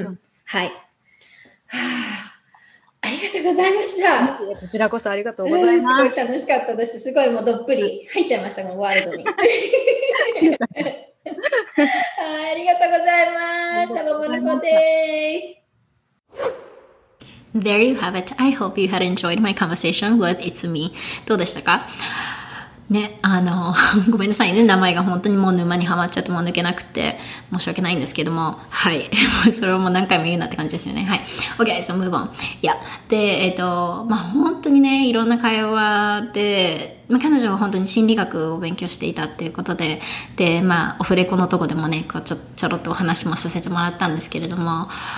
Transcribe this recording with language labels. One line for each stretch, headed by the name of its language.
Japanese: んはいはあありがとうございました。こちらこそありがとうございます、すごい楽しかったです。すごいもうどっぷり入っちゃいましたワールドにありがとうございます。
English: Have a wonderful day。 There you have it. I hope you had enjoyed my conversation with Itsumi.
Japanese: どうでしたか？ね、ごめんなさいね。名前が本当にもう沼にはまっちゃってもう抜けなくて申し訳ないんですけども。はい。それをもう何回も言うなって感じですよね。はい。
English: OK, so move on. Yeah.
Japanese: で、まあ、本当にね、いろんな会話で、まあ、彼女は本当に心理学を勉強していたっていうことで、で、まあ、オフレコのとこでもね、こう、ちょろっとお話もさせてもらったんですけれども、